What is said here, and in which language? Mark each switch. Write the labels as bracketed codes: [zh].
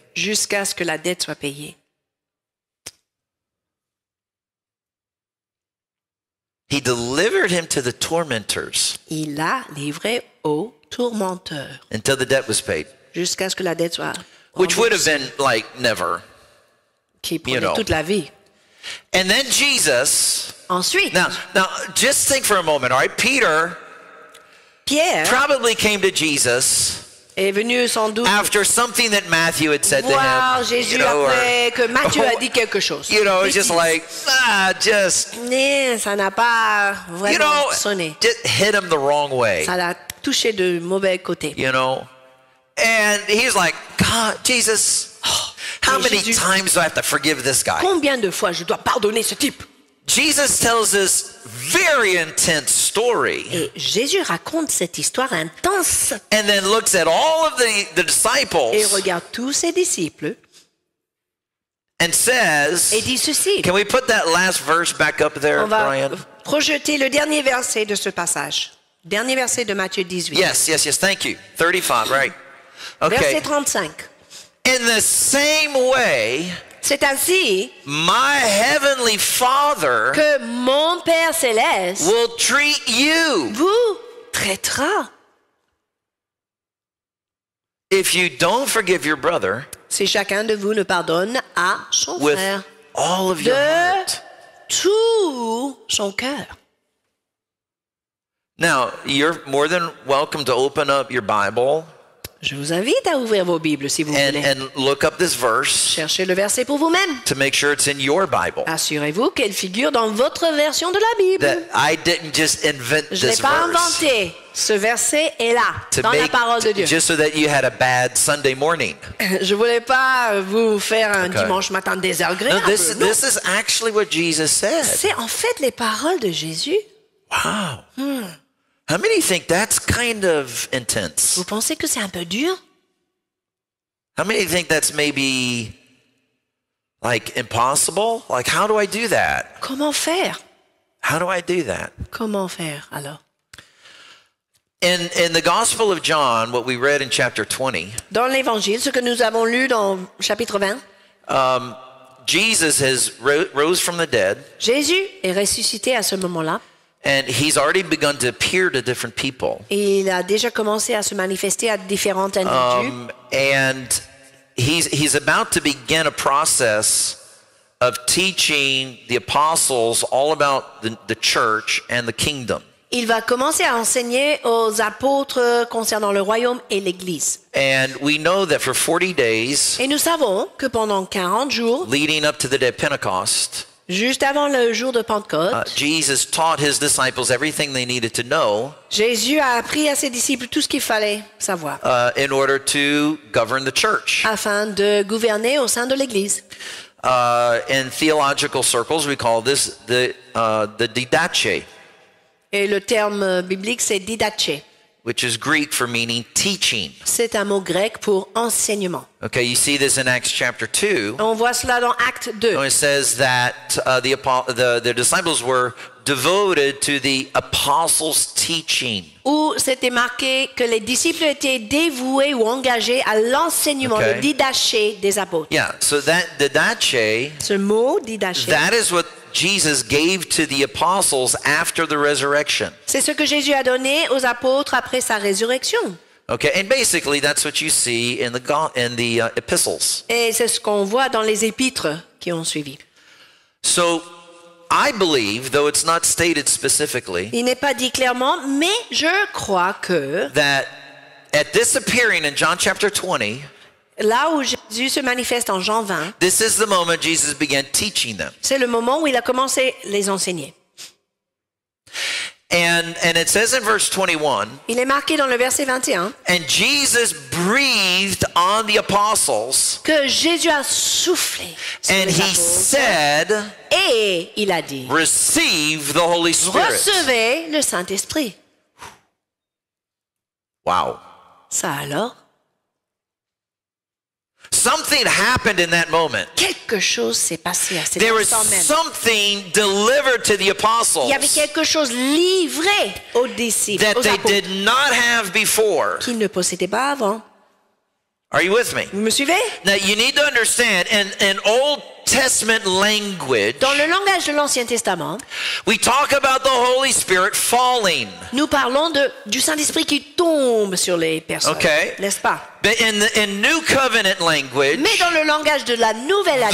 [fr] Jusqu'à ce que la dette soit payée. [en] He delivered him to the tormentors. [fr] Il l'a livré aux tourmenteurs. [en] Until the debt was paid. [fr] Jusqu'à ce que la dette soit remboursée. [en] Which would have been like never. [fr] Qui prenait toute la vie. [en] And then Jesus. [fr] Ensuite, [en] now just think for a moment, all right? Pierre probably came to Jesus [fr] est venu sans doute [en] after something that Matthew had said to him. [fr] Jésus, [en] you know, [fr] après que Matthieu a dit quelque chose. [en] You know, it's just like, just... [fr] ça n'a pas vraiment sonné. [en] You know, just hit him the wrong way. [fr] Ça l'a touché de mauvais côté. [en] You know? And he's like, God, Jesus, how many times do I have to forgive this guy? [fr] Combien de fois je dois pardonner ce type? [en] Jesus tells this very intense story. [fr] Et Jésus raconte cette histoire intense. [en] And then looks at all of the disciples. [fr] Et regarde tous ses disciples. [en] And says, [fr] et dit ceci. [en] Can we put that last verse back up there, Brian? [fr] On va projeter le dernier verset de ce passage. Dernier verset de Matthieu 18. [en] Yes, thank you. 35, right. [fr] Okay. Verset 35. [en] In the same way, [fr] c'est ainsi, [en] my heavenly Father [fr] que mon Père céleste [en] will treat you [fr] vous traitera. [en] If you don't forgive your brother, [fr] si chacun de vous ne pardonne à son [en] with [fr] frère [en] all of your [fr] de [en] heart. [fr] Tout son cœur. [en] Now, you're more than welcome to open up your Bible. [fr] Je vous invite à ouvrir vos Bibles si vous voulez. [en] And look up this verse. [fr] Cherchez le verset pour vous-même. [en] To make sure it's in your Bible. [fr] Assurez-vous qu'elle figure dans votre version de la Bible. [en] I didn't just invent this verse. [fr] Je l'ai pas inventé. Ce verset est là dans la parole de Dieu. [en] Just so that you had a bad Sunday morning. [fr] Je voulais pas vous faire un dimanche matin désagréable. [en] No, this is actually what Jesus said. [fr] C'est en fait les paroles de Jésus. [en] Wow. How many think that's kind of intense? [fr] Vous pensez que c'est un peu dur? [en] How many think that's maybe like impossible? Like how do I do that? [fr] Comment faire? [en] How do I do that? [fr] Comment faire alors? [en] In the Gospel of John, what we read in chapter 20. [fr] Dans l'Évangile, ce que nous avons lu dans chapitre 20. [en] Jesus has rose from the dead. [fr] Jésus est ressuscité à ce moment-là. [en] And he's already begun to appear to different people. [fr] Il a déjà commencé à se manifester à différents individus. [en] And he's about to begin a process of teaching the apostles all about the church and the kingdom. [fr] Il va commencer à enseigner aux apôtres concernant le royaume et l'église. [en] And we know that for 40 days. [fr] Et nous savons que pendant 40 jours. [en] Leading up to the day of Pentecost. [fr] Juste avant le jour de Pentecôte, [en] Jesus taught his disciples everything they needed to know. [fr] Jésus a appris à ses disciples tout ce qu'il fallait savoir. [en] In order to govern the church. [fr] Afin de gouverner au sein de l'église. [en] In theological circles, we call this the didache. [fr] Et le terme biblique c'est didache. [en] Which is Greek for meaning teaching. [fr] C'est un mot grec pour enseignement. [en] Okay, you see this in Acts chapter 2. [fr] On voit cela dans Acte 2. [en] It says that the disciples were devoted to the apostles' teaching. [fr] Où c'était marqué que les disciples étaient dévoués ou engagés à l'enseignement, le didache des apôtres. [en] Yeah, so that didache. [fr] Ce mot didache. [en] That is what Jesus gave to the apostles after the resurrection. [fr] C'est ce que Jésus a donné aux apôtres après sa résurrection. [en] Okay, and basically that's what you see in the epistles. [fr] Et c'est ce qu'on voit dans les épîtres qui ont suivi. [en] So I believe, though it's not stated specifically, [fr] il n'est pas dit clairement, mais je crois que [en] that at this appearing in John chapter 20, [fr] là où Jésus se manifeste en Jean 20, [en] this is the moment Jesus began teaching them. [fr] C'est le moment où il a commencé les enseigner. [en] And it says in verse 21, [fr] il est marqué dans le verset 21, [en] and Jesus breathed on the apostles, [fr] que Jésus a soufflé sur [en] and [fr] les [en] he [fr] apôtres, [en] said, [fr] et il a dit, [en] receive the Holy Spirit. [fr] Recevez le Saint-Esprit. [en] Wow. [fr] Ça alors? [en] Something happened in that moment. [fr] Quelque chose s'est passé à cet instant même. [en] There was something delivered to the apostles. [fr] Il y avait quelque chose livré aux disciples. [en] That they did not have before. [fr] Qu'ils ne possédaient pas avant. [en] Are you with me? [fr] Vous me suivez? [en] Now you need to understand in Old Testament language. [fr] Dans le langage de l'Ancien Testament. [en] We talk about the Holy Spirit falling. [fr] Nous parlons du Saint-Esprit qui tombe sur les personnes. [en] Okay. [fr] N'est-ce pas? [en] But in New Covenant language. [fr] Mais dans le langage de la Nouvelle Alliance.